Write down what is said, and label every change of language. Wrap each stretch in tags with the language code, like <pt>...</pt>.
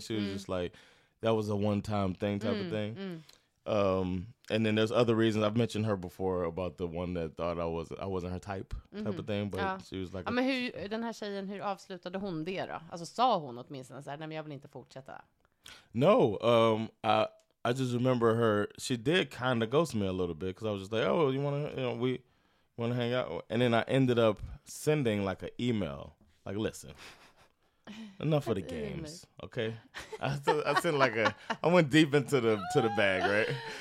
<en>She was just like that was a one-time thing type of thing. And then there's other reasons. I've mentioned her before about the one that thought I wasn't her type of thing, but she was like.</en> <sv>Ja, men hur den här tjejen, hur avslutade hon det då? Alltså sa hon åtminstone så här, nej men jag vill inte fortsätta.</sv> <en>No, I just remember her. She did kind of ghost me a little bit because I was just like, oh, we want to hang out. And then I ended up sending like an email, like listen. Enough of the games, okay? I went deep into the bag, right?</en>